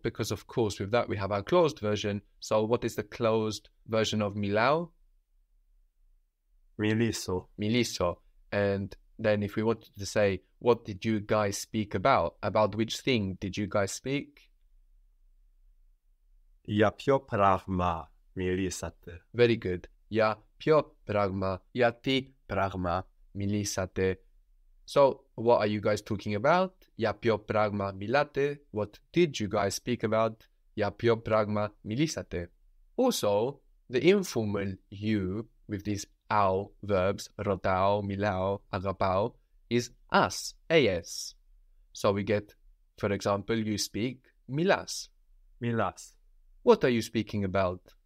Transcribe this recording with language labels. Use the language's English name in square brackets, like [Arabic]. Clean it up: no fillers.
[English] Because, of course, with that we have our closed version. So what is the closed version of milau? [Greek] Miliso. Miliso. [English] And then if we wanted to say, what did you guys speak about? About which thing did you guys speak? [Greek] Για ποιο πράγμα μιλήσατε. [English] Very good. [Greek] Για ποιο πράγμα, γιατί πράγμα μιλήσατε. [English] So, what are you guys talking about? [Greek] Για ποιο πράγμα μιλάτε. [English] What did you guys speak about? [Greek] Για ποιο πράγμα μιλήσατε. [English] Also, the informal you with these au verbs, [Greek] ρωτάω, μιλάω, αγαπάω, [English] is us, AS. So we get, for example, you speak μιλάς. [Greek] Μιλάς. [English] What are you speaking about?